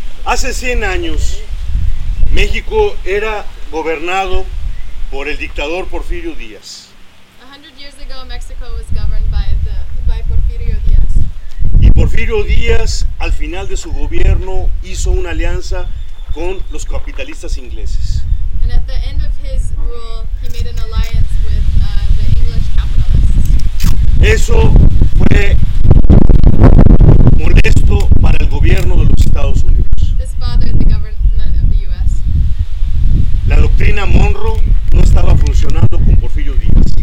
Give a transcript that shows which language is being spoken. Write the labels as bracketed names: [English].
[Spanish] Hace 100 años, México era gobernado por el dictador Porfirio Díaz. [English] 100 years ago, Mexico was governed by Porfirio Díaz. [Spanish] Y Porfirio Díaz, al final de su gobierno, hizo una alianza con los capitalistas ingleses. [English] And at the end of his rule, he made an alliance with the English capitalists. [Spanish] Eso fue molesto para el gobierno de los Estados Unidos. [English] This bothered the government of the U.S. [Spanish] La doctrina Monroe no estaba funcionando con Porfirio Díaz.